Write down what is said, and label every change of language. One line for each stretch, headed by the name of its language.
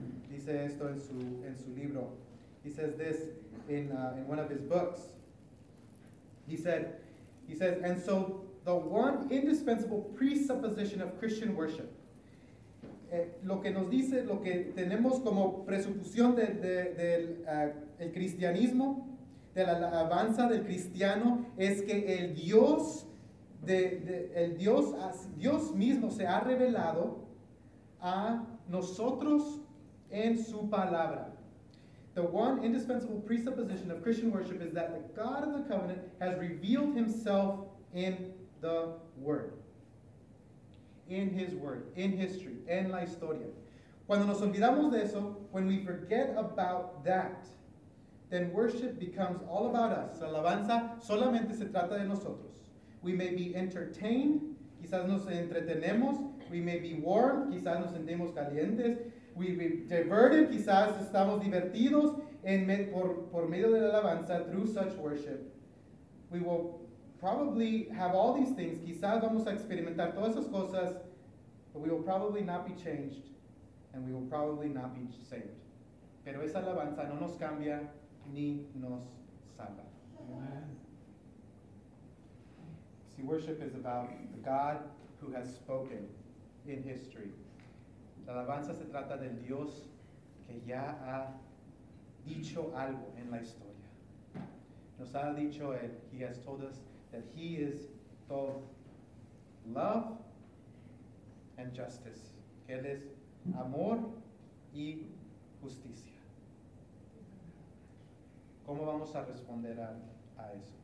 Spanish: Dice esto en su libro.
English: He says this in one of his books. He said, he says, and so the one indispensable presupposition of Christian worship.
Spanish: Lo que nos dice, lo que tenemos como presuposición del cristianismo, de la alabanza del cristiano, es que el Dios Dios mismo se ha revelado a nosotros en su palabra.
English: The one indispensable presupposition of Christian worship is that the God of the covenant has revealed himself in the word. In his word, in history,
Spanish: en la historia. Cuando nos olvidamos de eso,
English: when we forget about that, then worship becomes all about us.
Spanish: La alabanza solamente se trata de nosotros.
English: We may be entertained,
Spanish: quizás nos entretenemos.
English: We may be warm,
Spanish: quizás nos sentimos calientes.
English: We be diverted,
Spanish: quizás estamos divertidos por medio de la alabanza,
English: through such worship. We will probably have all these things,
Spanish: quizás vamos a experimentar todas esas cosas,
English: but we will probably not be changed, and we will probably not be saved.
Spanish: Pero esa alabanza no nos cambia ni nos salva. Amen.
English: See, worship is about the God who has spoken in history.
Spanish: La alabanza se trata del Dios que ya ha dicho algo en la historia. Nos ha dicho él,
English: he has told us that he is both love and justice.
Spanish: Que él es amor y justicia. ¿Cómo vamos a responder a eso?